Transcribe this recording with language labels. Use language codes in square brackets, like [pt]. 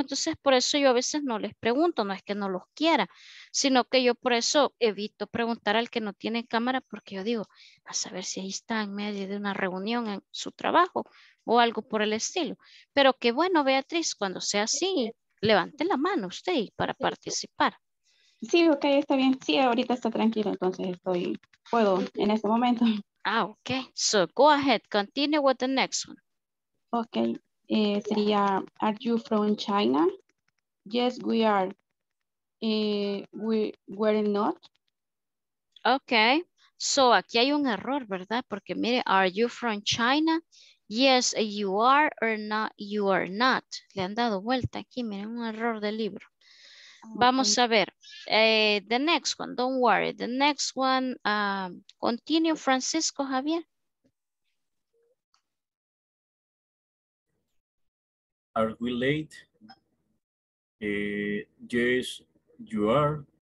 [es] Entonces, por eso yo a veces no les pregunto, no es que no los quiera, sino que yo por eso evito preguntar al que no tiene cámara, porque yo digo, a saber si ahí está en medio de una reunión en su trabajo o algo por el estilo. Pero qué bueno, Beatriz, cuando sea así, levante la mano usted para participar. Sí, ok, está bien. Sí, ahorita está tranquilo, entonces estoy, puedo en este momento. Ah, ok. [en] So, go ahead, continue with the next one. Ok, [es] sería, [en] are you from China? Yes, we are. We're not. [es] Ok. So, aquí hay un error, ¿verdad? Porque mire, [en] are you from China? Yes, you are or not, you are not. [es] Le han dado vuelta aquí, miren, un error de libro. Vamos a ver. [en] The next one, don't worry. The next one, continue, Francisco Javier. Are we late? Yes, you are.